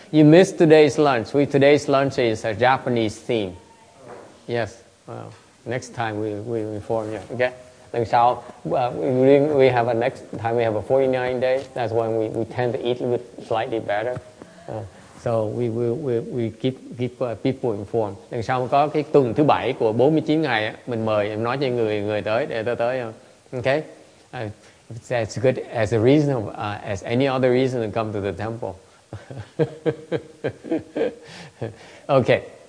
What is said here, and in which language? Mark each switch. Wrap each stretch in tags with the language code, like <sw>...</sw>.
<en>You missed today's lunch. Today's lunch is a Japanese theme. Yes. Well, next time we inform you. Okay.</en> <vi>Lần sau</vi> <en>we have a next time we have a 49 day. That's when we tend to eat a bit slightly better. So we keep people informed.</en> <vi>Lần sau có cái tuần thứ bảy của 49 ngày á, mình mời em nói cho người tới để tôi tới.</vi> <en>Okay? That's good as a reason of, as any other reason to come to the temple. Okay.</en>